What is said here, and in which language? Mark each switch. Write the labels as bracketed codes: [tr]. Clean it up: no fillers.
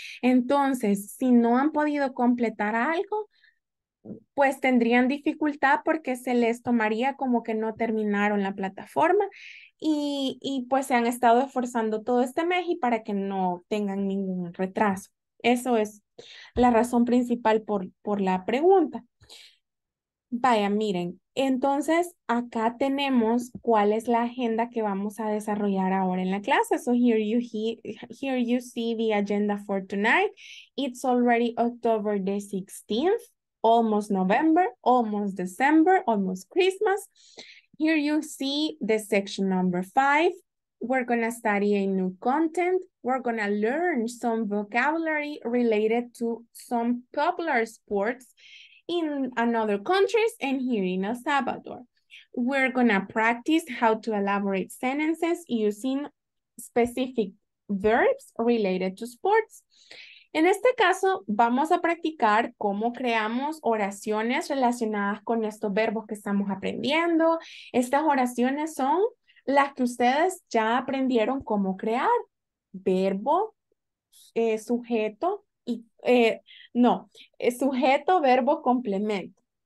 [es] Entonces, si no han podido completar algo, pues tendrían dificultad porque se les tomaría como que no terminaron la plataforma y pues se han estado esforzando todo este mes y para que no tengan ningún retraso. Eso es la razón principal por la pregunta. Vaya, miren, entonces acá tenemos cuál es la agenda que vamos a desarrollar ahora en la clase. [en] So here you see the agenda for tonight. It's already October the 16th. Almost November, almost December, almost Christmas. Here you see the section number 5. We're going to study a new content. We're going to learn some vocabulary related to some popular sports in another countries and here in El Salvador. We're going to practice how to elaborate sentences using specific verbs related to sports. [es] En este caso, vamos a practicar cómo creamos oraciones relacionadas con estos verbos que estamos aprendiendo. Estas oraciones son las que ustedes ya aprendieron cómo crear. Verbo, sujeto y, no, sujeto, verbo, complemento.